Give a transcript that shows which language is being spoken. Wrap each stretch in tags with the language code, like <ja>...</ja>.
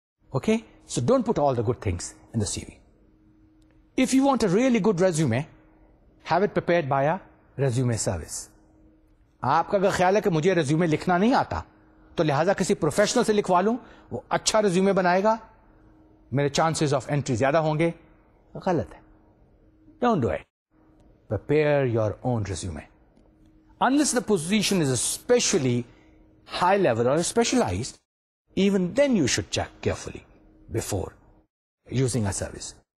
<en>Okay, so don't put all the good things in the C V. If you want a really good resume, have it prepared by a resume service.</en> <ur>آپ کا اگر خیال ہے کہ مجھے resume لکھنا نہیں آتا تو لہذا کسی پروفیشنل سے لکھوا لوں, وہ اچھا ریزیومے بنائے گا, میرے</ur> <en>chances of entry</en> <ur>زیادہ ہوں گے, غلط ہے.</ur> <en>Don't do it. Prepare your own resume. Unless the position is especially high level or specialized, even then you should check carefully before using a service.</en>